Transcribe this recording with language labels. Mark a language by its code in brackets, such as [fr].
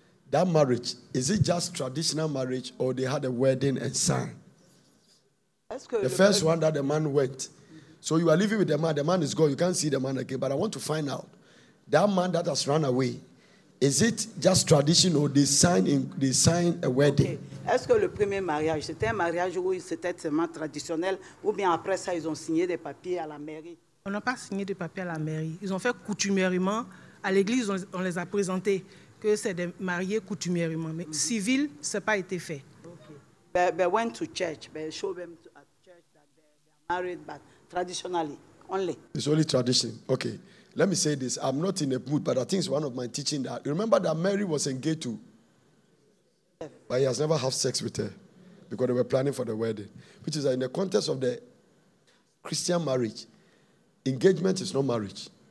[en] That marriage, is it just traditional marriage or they had a wedding and sang? The first one that the man went. So you are living with the man is gone. You can't see the man again. But I want to find out, that man that has run away, Is it just tradition or they sign a wedding? Okay. [fr] Est-ce que le premier mariage, c'était un mariage où c'était seulement traditionnel ou bien après ça, ils ont signé des papiers à la mairie? On n'a pas signé de papiers à la mairie. Ils ont fait coutumièrement. À l'église, on les a présentés que c'est des mariés coutumièrement. Mais mm-hmm. Civil, ça n'a pas été fait. [en] Okay. They went to church. They showed them to, at church that they are married, but traditionally only. It's only tradition. Okay. Let me say this. I'm not in a mood, but I think it's one of my teaching that you remember that Mary was engaged to, but he has never had sex with her because they were planning for the wedding, which is that in the context of the Christian marriage, engagement is not marriage.